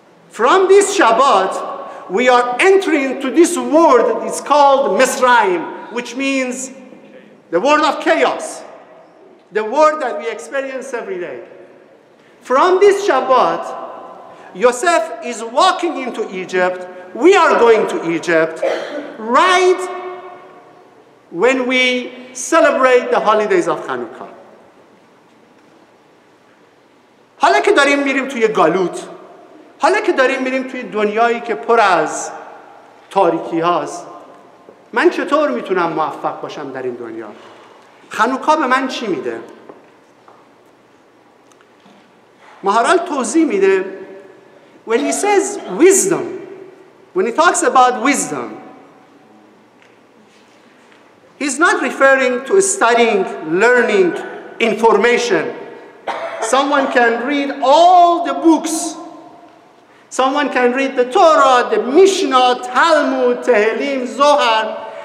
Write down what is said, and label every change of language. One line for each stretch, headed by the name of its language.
English: From this Shabbat, we are entering to this world that is called Mitzrayim, which means the world of chaos, the world that we experience every day. From this Shabbat, Yosef is walking into Egypt. We are going to Egypt right when we celebrate the holidays of Hanukkah.
Persian: حالا که داریم میریم توی گالوت، حالا که داریم میریم توی دنیایی که پر از تاریکی هاست، من چطور میتونم موفق باشم در این دنیا؟ خنوکا به من چی میده؟ مهارال توضیح میده.
English: When he says wisdom, When he talks about wisdom, he's not referring to studying, learning, information. Someone can read all the books. Someone can read the Torah, the Mishnah, Talmud, Tehillim, Zohar.